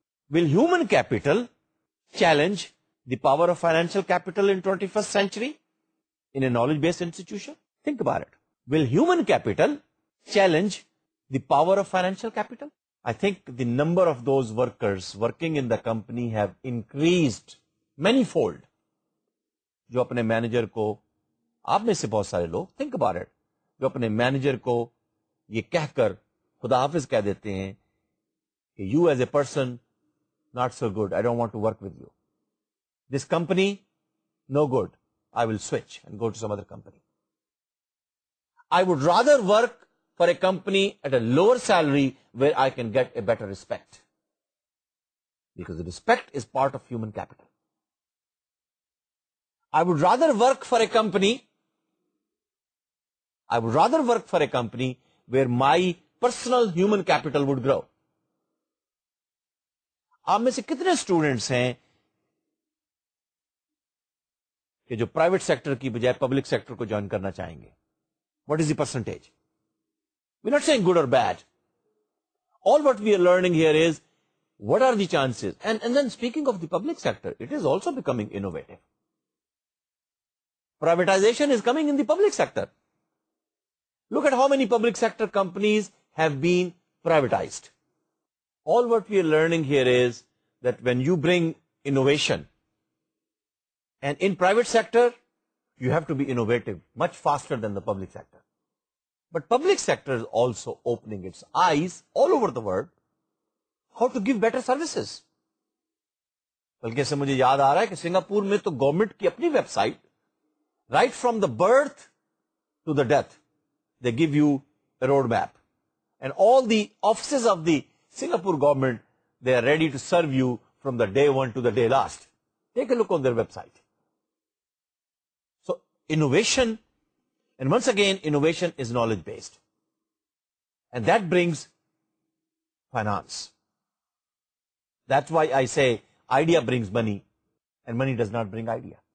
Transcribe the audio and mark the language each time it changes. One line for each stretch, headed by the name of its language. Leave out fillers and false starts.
English: Will human capital challenge the power of financial capital in 21st century in a knowledge-based institution? Think about it. Will human capital challenge the power of financial capital? I think the number of those workers working in the company have increased many fold.
Urdu: جو اپنے manager کو, آپ میں سے بہت سارے لوگ
English: think about it,
Urdu: جو اپنے مینیجر کو یہ کہہ کر خدا حافظ کہہ دیتے ہیں کہ
English: You as a person not so good, I don't want to work with you, this company no good, I will switch and go to some other company, I would rather work for a company at a lower salary where I can get a better respect. Because the respect is part of human capital. I would rather work for a company where my personal human capital would grow.
Urdu: آپ میں سے کتنے students ہیں کہ جو private sector کی بجائے public sector کو جوائن کرنا چاہیں گے؟
English: What is the percentage? We not seeing good or bad. All what we are learning here is what are the chances. And then speaking of the public sector, it is also becoming innovative. Privatization is coming in the public sector. Look at how many public sector companies have been privatized. All what we are learning here is that when you bring innovation, and in private sector, you have to be innovative much faster than the public sector. But public sector is also opening its eyes all over the world how to give better services.
Urdu: بلکہ سے مجھے یاد آ رہا ہے کہ Singapore میں تو government کی اپنی web site,
English: right from the birth to the death, they give you a roadmap. And all the offices of the Singapore government, they are ready to serve you from the day one to the day last. Take a look on their website. So innovation, and once again, innovation is knowledge based. And that brings finance. That's why I say idea brings money and money does not bring idea.